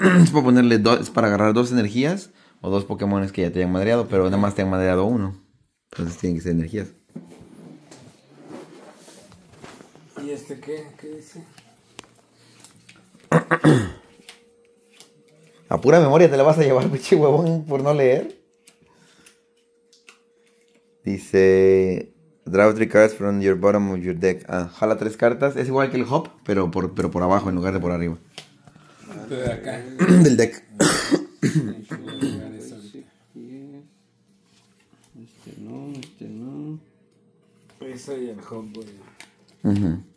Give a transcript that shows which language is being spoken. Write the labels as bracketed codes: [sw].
[es] Es para ponerle dos, es para agarrar dos energías o dos Pokémones que ya te hayan madreado, pero nada más te han madreado uno. Entonces tienen que ser energías. ¿Y este qué? ¿Qué dice? A pura memoria te la vas a llevar, pinche huevón, por no leer. [en] Dice, draw 3 cards from your bottom of your deck. [es] Ah, jala 3 cartas. Es igual que el hop, pero por abajo en lugar de por arriba. De acá. Del deck. Este no, este no. Ese y el hop, güey.